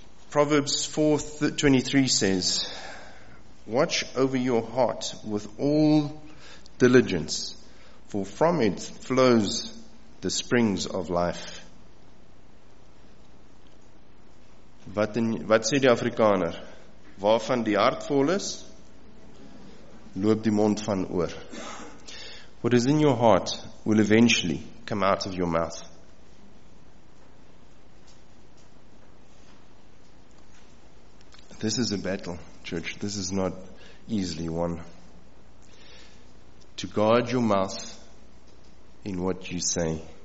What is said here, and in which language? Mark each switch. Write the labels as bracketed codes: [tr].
[en] Proverbs 4:23 says, "Watch over your heart with all diligence, for from it flows the springs of life." [af] Wat sê die Afrikaner? Waarvan die hart vol is, loop die mond van oor. [en] What is in your heart will eventually come out of your mouth. This is a battle, church. This is not easily won. To guard your mouth in what you say.